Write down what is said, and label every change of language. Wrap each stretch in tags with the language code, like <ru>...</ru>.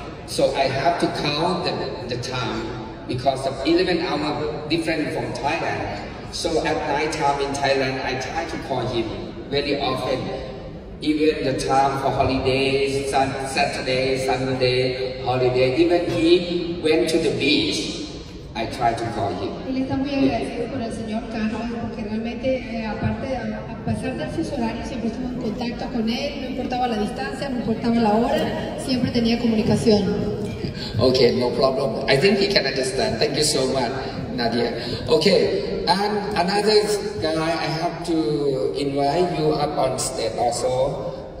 <en>So I have to count the time because of 11 hours different from Thailand. So at night time in Thailand, I try to call him very often. Even the time for holidays, Saturday, Sunday, holiday. Even he went to the beach I try to call him.</en> <es>Él está muy agradecido con el señor Carlos porque realmente aparte a pesar de sus horarios siempre estuvo en contacto con él, no importaba la distancia, no importaba la hora, siempre tenía comunicación.</es> <en>Okay, no problem. I think he can understand. Thank you so much, Nadia. Okay, and another guy I have to invite you up on stage also.</en>